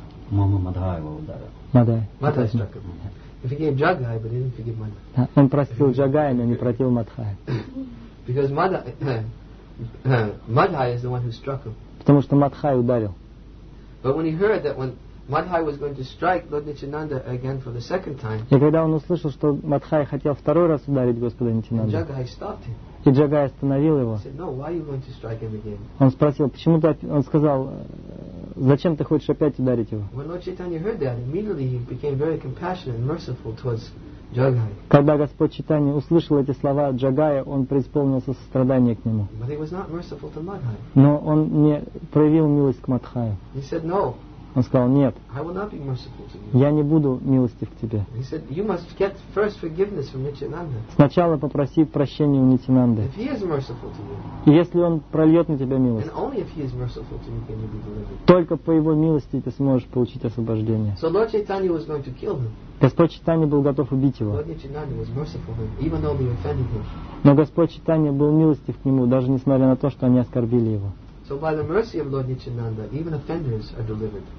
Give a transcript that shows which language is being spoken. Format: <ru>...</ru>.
<ru>Мама Мадхая его ударила. Мадхай</ru> <en>struck him. He forgave Джагая, but he didn't forgive Мадхая.</en> <ru>Он простил Джагая, но не простил Мадхая.</ru> <en>Because Мадхай is the one who struck him.</en> <ru>Потому что Мадхай ударил.</ru> <en>But when he heard that when Мадхай was going to strike Lord Nityananda again for the second time.</en> <ru>И когда он услышал, что Мадхай хотел второй раз ударить Господа Нитинанду,</ru> <en>Джагай stopped him.</en> <ru>И Джагай остановил его.</ru> <en>He said, "No, why are you going to strike him again?"</en> <ru>Он спросил, почему ты? Он сказал: «Зачем ты хочешь опять ударить его?»</ru> <en>When Lord Chaitanya heard that, immediately he became very compassionate and merciful towards Джагай.</en> <ru>Когда Господь Читания услышал эти слова Джагая, он преисполнился сострадания к нему.</ru> <en>But he was not merciful to Мадхай.</en> <ru>Но он не проявил милость к Мадхаю.</ru> <en>He said, "No."</en> <ru>Он сказал: «Нет,</ru> <en>I will not be merciful to you.</en> <ru>Я не буду милостив к тебе.</ru> <en>He said, you must get first forgiveness from Nityananda.</en> <ru>Сначала попроси прощения у Нитинанды.</ru> <en>If he is merciful to you,</en> <ru>и если он прольет на тебя милость,</ru> <en>and only if he is merciful to you, can you be delivered.</en> <ru>Только по его милости ты сможешь получить освобождение».</ru> <en>So Lord Chaitanya was going to kill him.</en> <ru>Господь Читания был готов убить его.</ru> <en>Lord Nityananda was merciful to him, even though they offended him.</en> <ru>Но Господь Читания был милостив к нему, даже несмотря на то, что они оскорбили его.</ru> <en>So by the mercy of Lord Nityananda, even offenders are delivered.</en>